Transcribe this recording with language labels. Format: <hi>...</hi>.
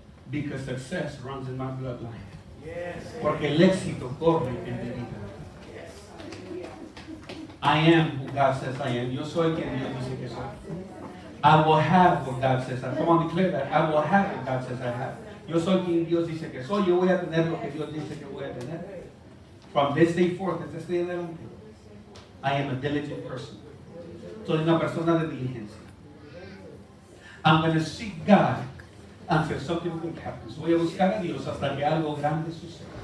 <en>Because success runs in my bloodline.</en> <es>Porque el éxito corre en mi vida.</es> <en>I am who God says I am.</en> <es>Yo soy quien Dios dice que soy.</es> <en>I will have what God says I have. Come on, declare that. I will have what God says I have.</en> <es>Yo soy quien Dios dice que soy. Yo voy a tener lo que Dios dice que voy a tener.</es> <en>From this day forth,</en> <es>desde este día adelante,</es> <en>I am a diligent person.</en> <es>Soy una persona de diligencia.</es> <en>I'm going to seek God until something big happens.</en> <es>Voy a buscar a Dios hasta que algo grande suceda.</es>